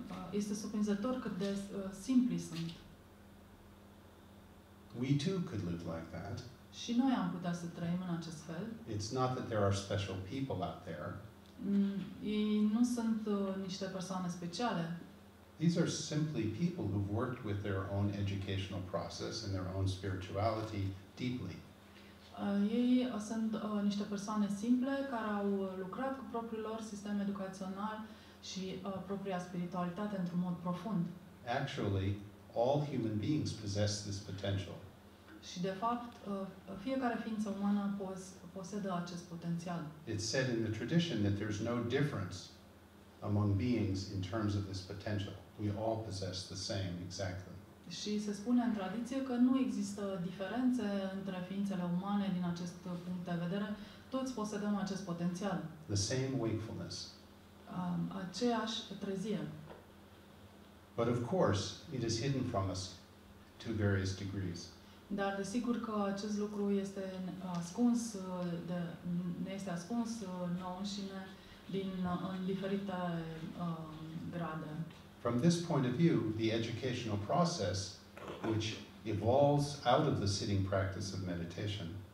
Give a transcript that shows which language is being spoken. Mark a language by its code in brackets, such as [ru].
[ro] Este surprinzător cât de simpli sunt. [en] We too could live like that. [ro] Și noi am putea să trăim în acest fel. [en] It's not that there are special people out there. [ro] Ei nu sunt niște persoane speciale. [en] These are simply people who've worked with their own educational process and their own spirituality deeply. [ro] Ei sunt niște persoane simple care au lucrat cu propriul lor sistem educațional și propria spiritualitate într-un mod profund. [en] Actually, all human beings possess this potential. [ro] Și de fapt, fiecare ființă umană posedă acest potențial. [en] It's said in the tradition that there's no difference among beings in terms of this potential. We all possess the same exactly. [ro] Și se spune în tradiție că nu există diferențe între ființele umane din acest punct de vedere. Toți posedăm acest potențial. [en] The same wakefulness. [ro] Aceeași trezire. [en] But of course, it is hidden from us to various degrees. [ro] Dar desigur că acest lucru este ascuns, ne este ascuns nouă înșine în diferite grade. [en] From this point of view, the educational process, which evolves out of the sitting practice of meditation.